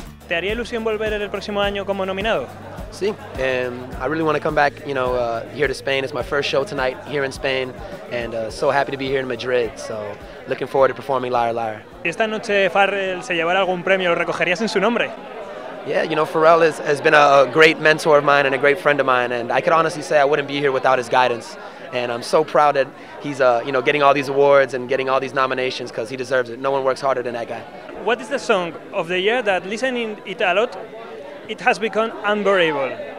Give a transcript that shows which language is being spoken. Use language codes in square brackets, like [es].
[es] haría ilusión volver en el próximo año como nominado? [en] Sí, I really want to come back, you know, here to Spain. It's my first show tonight here in Spain, and so happy to be here in Madrid. So looking forward to performing Liar Liar. [es] ¿Esta noche Pharrell se llevará algún premio, lo recogerías en su nombre? [en] Yeah, you know, Pharrell has been a great mentor of mine and a great friend of mine, and I could honestly say I wouldn't be here without his guidance. And I'm so proud that he's, you know, getting all these awards and getting all these nominations, because he deserves it. No one works harder than that guy. What is the song of the year that, listening it a lot, it has become unbearable?